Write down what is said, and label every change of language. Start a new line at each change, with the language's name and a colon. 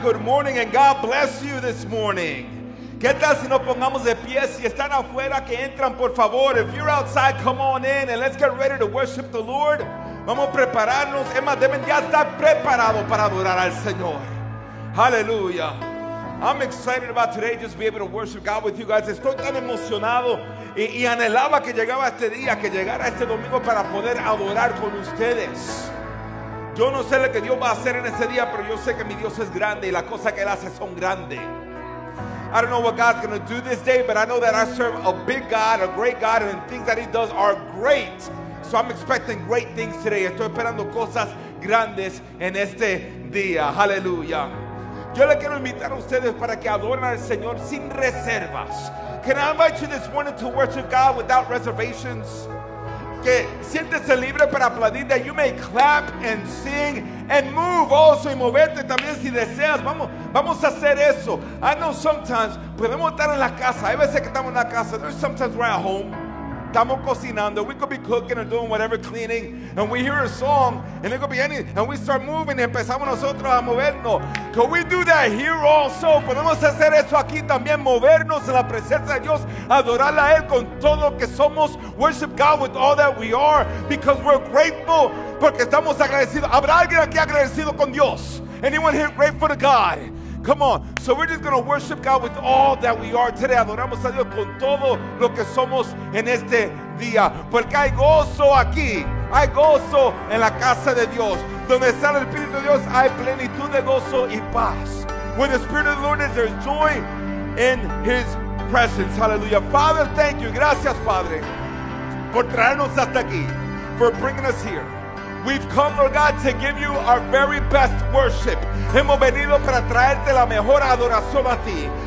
English: Good morning and God bless you this morning.
Spanish: ¿Qué tal si nos pongamos de pie? Si están afuera, que entran, por favor.
English: If you're outside, come on in and let's get ready to worship the Lord.
Spanish: Vamos a prepararnos. Es más, deben ya estar preparados para adorar al Señor.
English: Hallelujah. I'm excited about today, just be able to worship God with you guys.
Spanish: Estoy tan emocionado y anhelaba que llegaba este día, que llegara este domingo para poder adorar con ustedes. Yo no sé lo que Dios va a hacer en ese día, pero yo sé que mi Dios es grande y las cosas que Él hace son grandes.
English: I don't know what God's going to do this day, but I know that I serve a big God, a great God, and the things that He does are great. So I'm expecting great things today.
Spanish: Estoy esperando cosas grandes en este día. Hallelujah. Yo le quiero invitar a ustedes para que adoren al Señor sin reservas.
English: Can I invite you this morning to worship God without reservations?
Spanish: Que siéntese libre para aplaudir,
English: that you may clap and sing and move also
Spanish: y moverte también si deseas. Vamos a hacer eso.
English: I know sometimes
Spanish: podemos estar en la casa. Hay veces que estamos en la casa.
English: There's sometimes we're at home.
Spanish: Estamos cocinando.
English: We could be cooking or doing whatever, cleaning. And we hear a song. And it could be anything. And we start moving.
Spanish: Y empezamos nosotros a movernos.
English: Can we do that here also?
Spanish: Podemos hacer eso aquí también. Movernos en la presencia de Dios. Adorar a Él con todo lo que somos.
English: Worship God with all that we are. Because we're grateful.
Spanish: Porque estamos agradecidos. ¿Habrá alguien aquí agradecido con Dios?
English: Anyone here grateful to God? Come on. So we're just going to worship God with all that we are today.
Spanish: Adoramos a Dios con todo lo que somos en este día. Porque hay gozo aquí. Hay gozo en la casa de Dios. Donde está el Espíritu de Dios, hay plenitud de gozo y paz.
English: Where the Spirit of the Lord is, there's joy in His presence. Hallelujah. Father, thank you.
Spanish: Gracias, Padre, por traernos hasta aquí.
English: For bringing us here. We've come, Lord God, to give you our very best worship.
Spanish: Hemos venido para traerte la mejor adoración a ti.